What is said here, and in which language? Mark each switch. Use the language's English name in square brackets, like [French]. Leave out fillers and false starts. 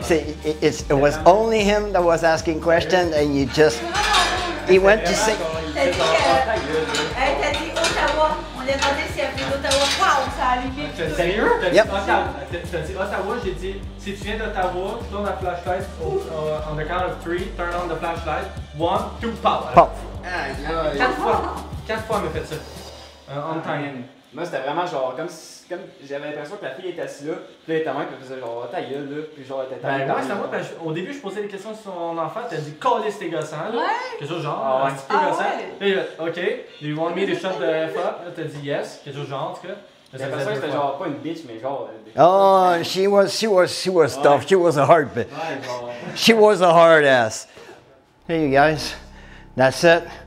[English] See, it was only him that was asking questions and you just. He went to say. [French] T'as dit Ottawa. On lui a demandé s'il y avait d'Ottawa. Wow, ça a allumé. Sérieux? [English] Yep. [French] T'as dit Ottawa, j'ai dit si tu viens d'Ottawa, tourne la flashlight [English] on the count of 3, turn on the flashlight. [French] 1, 2, pop. Pop. Aïe, aïe, aïe. 4 fois, elle m'a fait ça. [English] On time. [French] Moi, c'était vraiment genre, comme j'avais l'impression que la fille était assise là. Puis là, elle était même, elle faisait genre, ta gueule, là. Puis genre, elle était tellement. Ben, moi, c'était moi, au début, je posais des questions sur mon enfant. T'as dit, [English] call this, [French] t'es gossant, là. Ouais. Quelque chose genre, un petit peu gossant. Puis là, [English] OK, do you want me to shut the F up? [French] Là, t'as dit, yes. Quelque chose genre, en tout cas. [English] Oh, she was ouais. tough. She was a hard bitch. She was a hard ass. Hey, you guys. That's it.